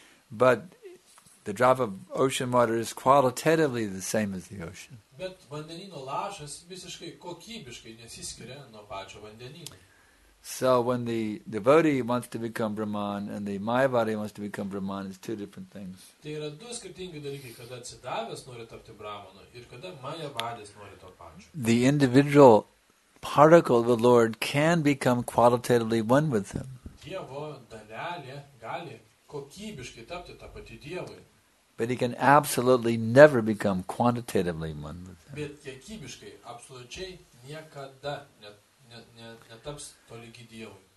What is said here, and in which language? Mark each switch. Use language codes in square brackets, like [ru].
[en] But the drop of ocean water is qualitatively the same as the ocean. [lt] Bet vandenino lašas visiškai kokybiškai nesiskiria nuo pačio vandenino. [en] So when the devotee wants to become Brahman and the Mayavadi wants to become Brahman, it's two different things. [lt] Tai yra du skirtingi dalykai, kada atsidavęs nori tapti Brahmanu ir kada Mayavadis nori to pačio. [en] The individual particle of the Lord can become qualitatively one with him. [lt] Dievo dalelė gali kokybiškai tapti tą patį Dievui. [en] But he can absolutely never become quantitatively one with him. [lt] Bet kiekybiškai absoliučiai niekada netaps tolygi Dievui.